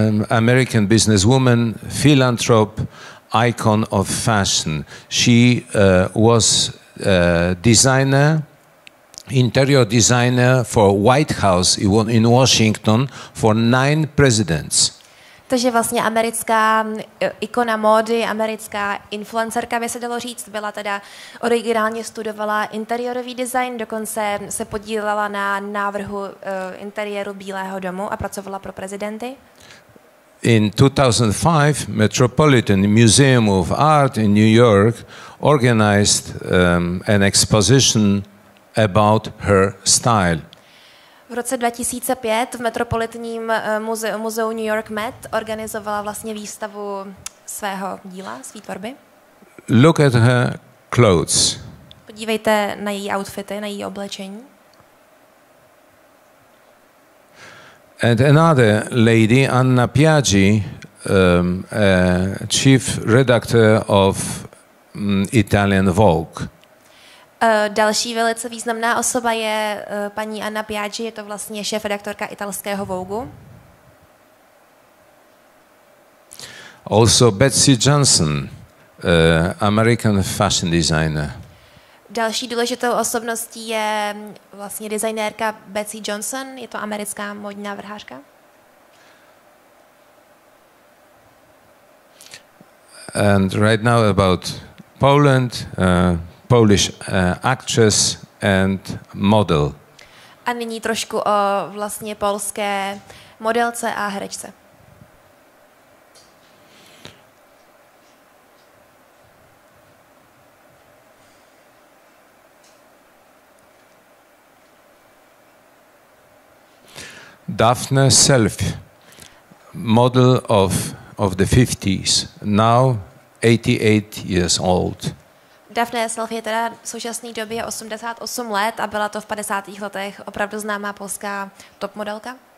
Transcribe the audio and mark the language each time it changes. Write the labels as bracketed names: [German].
[English] American businesswoman, philanthrop, icon of fashion. She was designer, interior designer for White House in Washington for 9 presidents. [Czech] Takže vlastně americká ikona módy, americká influencerka, by se dalo říct, byla teda, originálně studovala interiorový design, dokonce se podílela na návrhu interiéru Bílého domu a pracovala pro prezidenty. [English] In 2005, Metropolitan Museum of Art in New York organized an exposition about her style. [Czech] V roce 2005 v Metropolitním muzeu New York Met organizovala vlastně výstavu svého díla, své tvorby. [English] Look at her clothes. [Czech] Podívejte na její outfity, na její oblečení. [English] And another lady, Anna Piaggi, chief redactor of Italian Vogue. [Czech] Další velice významná osoba je paní Anna Piaggi, je to vlastně šéfredaktorka italského Vogue. [English] Also Betsy Johnson, American fashion designer. [Czech] Další důležitou osobností je vlastně designérka Betsy Johnson, je to americká modní návrhářka. [English] And right now about Poland, Polish actress and model. [Czech] A nyní trošku o vlastně polské modelce a herečce. [English] Daphne Self, model of the 50s, now 88 years old. [Czech] Daphne Self je teda v současné době 88 let a byla to v 50. letech opravdu známá polská top modelka.